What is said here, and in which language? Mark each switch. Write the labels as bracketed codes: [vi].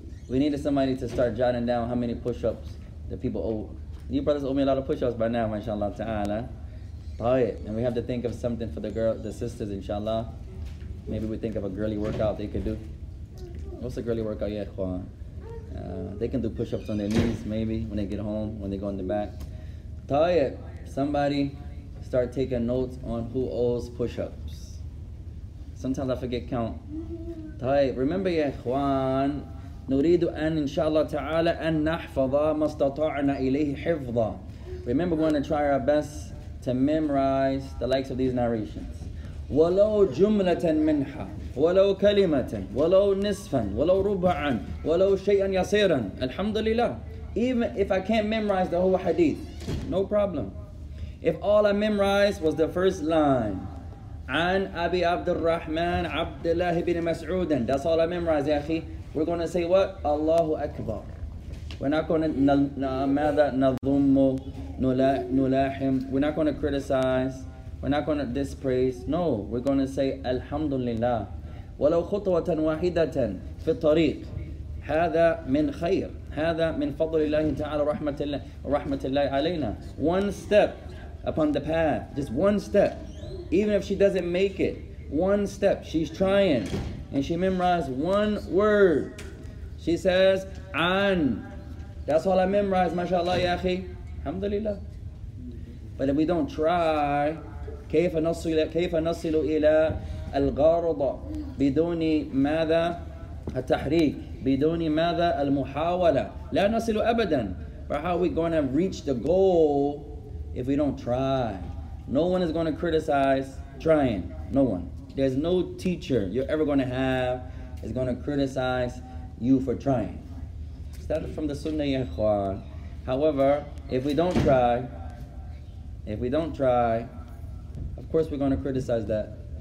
[en] we needed somebody to start jotting down how many push-ups the people owe you brothers owe me a lot of push-ups by now inshallah ta'ala طيب and we have to think of something for the girl the sisters inshallah maybe we think of a girly workout they could do what's a girly workout yeah Juan they can do push-ups on their knees maybe when they get home when they go in the back طيب somebody start taking notes on who owes push-ups. Sometimes I forget count. [ar] طيب, remember يا إخوان, نريد أن إن شاء الله تعالى أن نحفظ ما استطعنا إليه حفظا. [en] Remember, we're going to try our best to memorize the likes of these narrations. [ar] ولو جملة منها, ولو كلمة, ولو نصفا, ولو ربعا, ولو شيئا يسيرا. الحمد لله. [en] Even if I can't memorize the whole hadith, no problem. If all I memorized was the first line, [ar] عن أبي عبد الرحمن عبد الله بن مسعود, [en] that's all I memorized, [ar] يا أخي. [en] We're going to say what? [ar] الله أكبر. [en] We're not going to [ar] ماذا نضم نلاحم. [en] We're not going to criticize. We're not going to dispraise. No, we're going to say الحمد لله. [ar] ولو خطوة واحدة في الطريق هذا من خير. هذا من فضل الله تعالى رحمة الله علينا. [en] One step. Upon the path, just one step. Even if she doesn't make it, one step, she's trying. And she memorized one word. She says, An. That's all I memorized, mashallah, ya akhi. Alhamdulillah. But if we don't try, [ar] كيف نصل إلى الغرض بدون ماذا التحريك بدون ماذا المحاولة لا نصل أبداً [en] But how are we going to reach the goal if we don't try? No one is going to criticize trying. No one. There's no teacher you're ever going to have is going to criticize you for trying. That's from the Sunnah, Ya Ikhwan. However, if we don't try, of course we're going to criticize that.